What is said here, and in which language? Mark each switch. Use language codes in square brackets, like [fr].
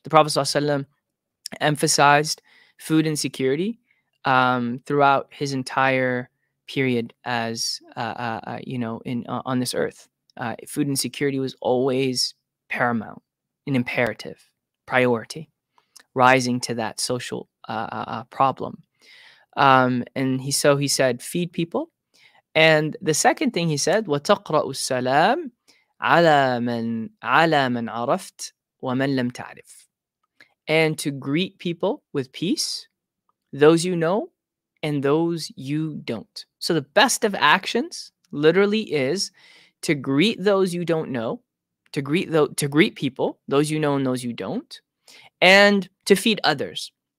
[en] The Prophet sallallahu alaihi wasallam emphasized food insecurity throughout his entire period as on this earth. Food insecurity was always paramount, an imperative priority, rising to that social problem. And he said, feed people. And the second thing he said, [ar] وَتَقْرَأُ السَّلَامُ عَلَى مَنْ عَرَفْتَ وَمَنْ لَمْ تَعْرِفْ. [en] And to greet people with peace, those you know and those you don't. So the best of actions literally is to greet those you don't know, to greet people, those you know and those you don't, and to feed others.